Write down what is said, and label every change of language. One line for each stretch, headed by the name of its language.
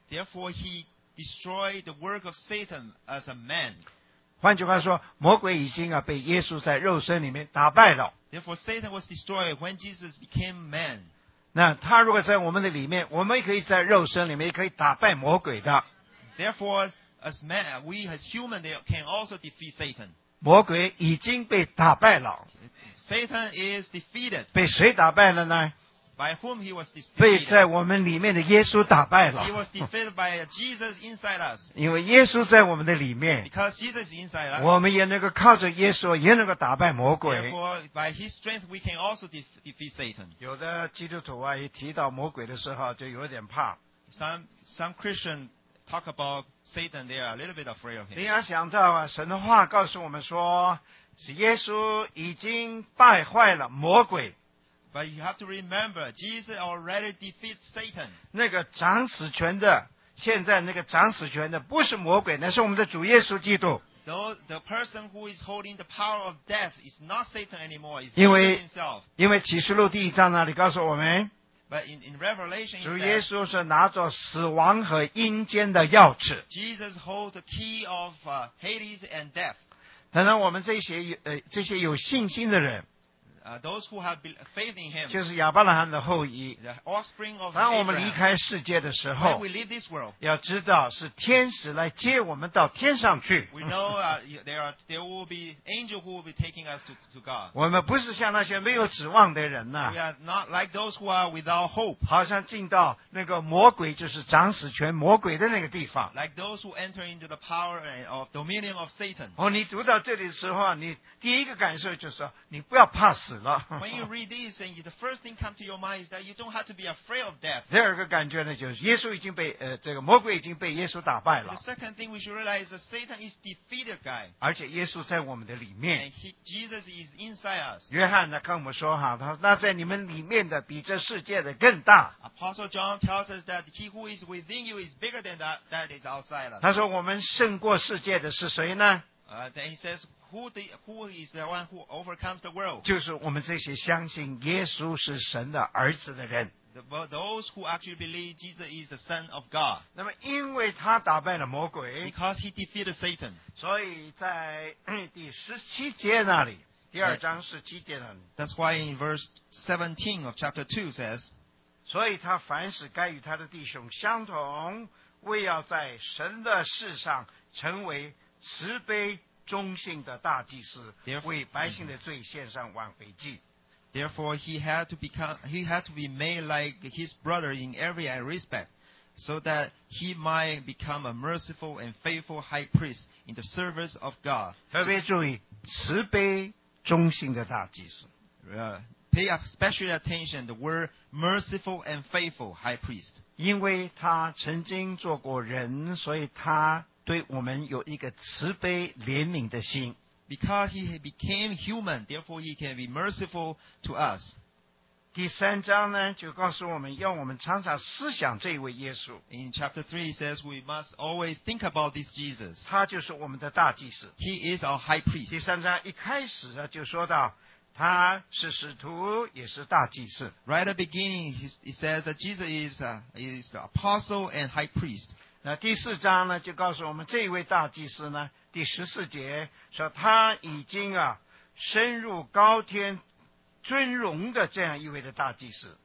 English: Therefore, he destroyed the work of Satan as a man.
Chinese: 换句话说，魔鬼已经啊被耶稣在肉身里面打败了。
English: Therefore, Satan was destroyed when Jesus became man.
Chinese: 那他如果在我们的里面，我们可以在肉身里面可以打败魔鬼的。
English: Therefore, as man, we as human, they can also defeat Satan.
Chinese: 魔鬼已经被打败了。
English: Satan is defeated.
Chinese: 被谁打败了呢？
English: By whom he was defeated?
Chinese: 被在我们里面的耶稣打败了。
English: He was defeated by Jesus inside us.
Chinese: 因为耶稣在我们的里面。
English: Because Jesus is inside us.
Chinese: 我们也能够靠着耶稣，也能够打败魔鬼。
English: Therefore, by his strength, we can also defeat Satan.
Chinese: 有的基督徒啊，一提到魔鬼的时候，就有点怕。
English: Some Christian. Talk about Satan, they are a little bit afraid of him.
Chinese: 你要想到啊，神的话告诉我们说，耶稣已经败坏了魔鬼。
English: But you have to remember, Jesus already defeated Satan.
Chinese: 那个掌死权的，现在那个掌死权的不是魔鬼，那是我们的主耶稣基督。
English: The person who is holding the power of death is not Satan anymore, it's Jesus himself.
Chinese: 因为启示录第一章那里告诉我们
English: But in Revelation,
Chinese: 主耶稣是拿着死亡和阴间的钥匙。
English: Jesus holds the key of Hades and death.
Chinese: 等等，我们这些有信心的人，
English: those who have faith in him,
Chinese: 就是亚伯拉罕的后裔。
English: The offspring of
Chinese: Abraham, 当我们离开世界的时候，
English: when we leave this world,
Chinese: 要知道是天使来接我们到天上去。
English: We know there will be angels who will be taking us to God.
Chinese: 我们不是像那些没有指望的人呐。
English: We are not like those who are without hope.
Chinese: 好像进到那个魔鬼，就是掌死权魔鬼的那个地方。
English: Like those who enter into the power of dominion of Satan.
Chinese: 哦，你读到这里的时候，你第一个感受就是说，你不要怕死。死了。
English: When you read these things, the first thing come to your mind is that you don't have to be afraid of death.
Chinese: 第二个感觉呢，就是耶稣已经被这个魔鬼已经被耶稣打败了。
English: The second thing we should realize is that Satan is defeated, guy.
Chinese: 而且耶稣在我们的里面。
English: Jesus is inside us.
Chinese: 约翰呢跟我们说哈，他说那在你们里面的比这世界的更大。
English: Apostle John tells us that he who is within you is bigger than that is outside us.
Chinese: 他说我们胜过世界的是谁呢？
English: Then he says, who is the one who overcomes the world?
Chinese: 就是我们这些相信耶稣是神的儿子的人。
English: Those who actually believe Jesus is the Son of God.
Chinese: 那么因为他打败了魔鬼。
English: Because he defeated Satan.
Chinese: 所以在第十七节那里，第二章十七节那里。
English: That's why in verse 17 of chapter 2 says,
Chinese: 所以他凡事该与他的弟兄相同，为要在神的事上成为慈悲忠信的大祭司，为百姓的罪献上挽回祭。
English: Therefore, he had to be made like his brother in every respect, so that he might become a merciful and faithful high priest in the service of God.
Chinese: 特别注意慈悲忠信的大祭司。
English: Pay special attention to the word merciful and faithful high priest.
Chinese: 因为他曾经做过人，所以他对我们有一个慈悲怜悯的心。
English: Because he became human, therefore he can be merciful to us.
Chinese: 第三章呢，就告诉我们，要我们常常思想这位耶稣。
English: In chapter 3, it says we must always think about this Jesus.
Chinese: 他就是我们的大祭司。
English: He is our high priest.
Chinese: 第三章一开始呢，就说到他是使徒，也是大祭司。
English: Right at the beginning, he says that Jesus is the apostle and high priest.
Chinese: 那第四章呢，就告诉我们这一位大祭司呢，第十四节说他已经啊深入高天尊荣的这样一位的大祭司。